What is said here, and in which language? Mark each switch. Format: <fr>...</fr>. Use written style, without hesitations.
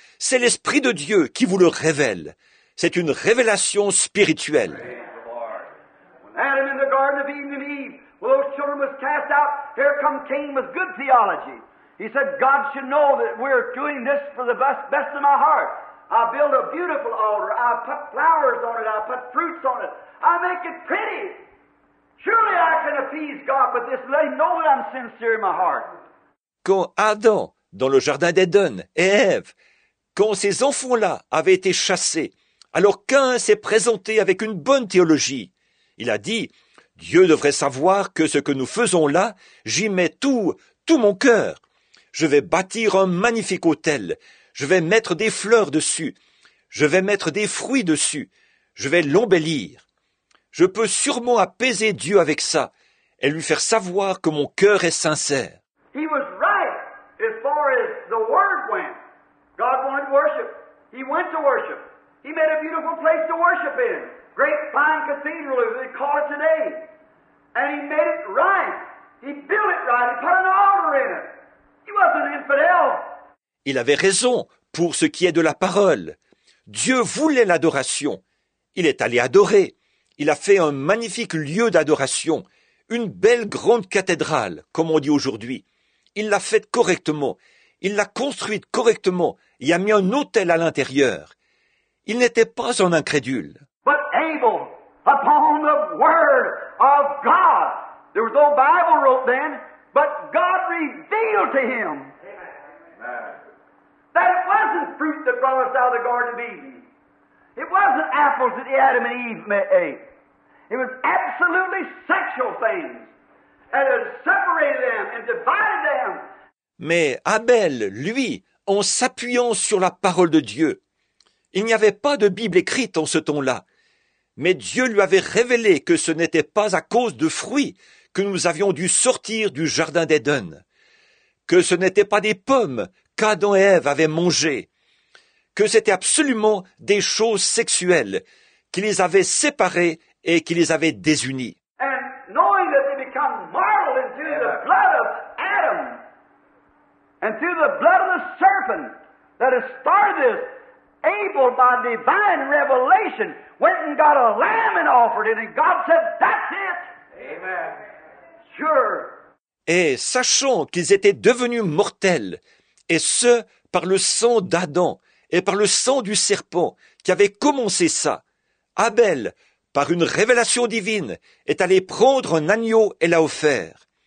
<fr>C'est l'Esprit de Dieu qui vous le révèle. C'est une révélation spirituelle.</fr> <en>Adam in the Garden of Eden and Eve, when those children was cast out, here come Cain with good theology. He said, God should know that we're doing this for the best of my heart. I build a beautiful altar, I put flowers on it, I put fruits on it, I make it pretty. Surely I can appease God with this, let him know that I'm sincere in my heart.</en> <fr>Quand Adam, dans le jardin d'Eden, et Ève, quand ces enfants-là avaient été chassés, alors Cain s'est présenté avec une bonne théologie. Il a dit, « Dieu devrait savoir que ce que nous faisons là, j'y mets tout mon cœur. Je vais bâtir un magnifique autel. Je vais mettre des fleurs dessus. Je vais mettre des fruits dessus. Je vais l'embellir. Je peux sûrement apaiser Dieu avec ça et lui faire savoir que mon cœur est sincère. »</fr> <en>He was right as far as the word went. God wanted worship. He went to worship. He made a beautiful place to worship in. Great fine cathedral, as they call it today. And he made it right. He built it right. He put an altar in it. He wasn't infidel.</en> <fr>Il avait raison pour ce qui est de la parole. Dieu voulait l'adoration. Il est allé adorer. Il a fait un magnifique lieu d'adoration. Une belle grande cathédrale, comme on dit aujourd'hui. Il l'a faite correctement. Il l'a construite correctement. Il a mis un autel à l'intérieur. Il n'était pas un incrédule.</fr> <en>But Abel, upon the word of God. There was no Bible wrote then, but God revealed to him that it wasn't fruit that brought us out of the Garden of Eden. It wasn't apples that Adam and Eve ate. It was absolutely sexual things that had separated them and divided them.</en> <fr>Mais Abel, lui, en s'appuyant sur la parole de Dieu, il n'y avait pas de Bible écrite en ce temps-là. Mais Dieu lui avait révélé que ce n'était pas à cause de fruits que nous avions dû sortir du jardin d'Éden, que ce n'était pas des pommes qu'Adam et Ève avaient mangées, que c'était absolument des choses sexuelles qui les avaient séparées et qui les avaient désunies.</fr> <en>And knowing that they become mortal and through the blood of Adam and through the blood of the serpent that has started this, Abel by divine revelation went and got a lamb and offered it, and God said, that's it. Amen. Sure.</en> <fr>Et sachant qu'ils étaient devenus mortels, et ce, par le sang d'Adam et par le sang du serpent qui avait commencé ça, Abel, par une révélation divine, est allé prendre un agneau et l'a offert.</fr>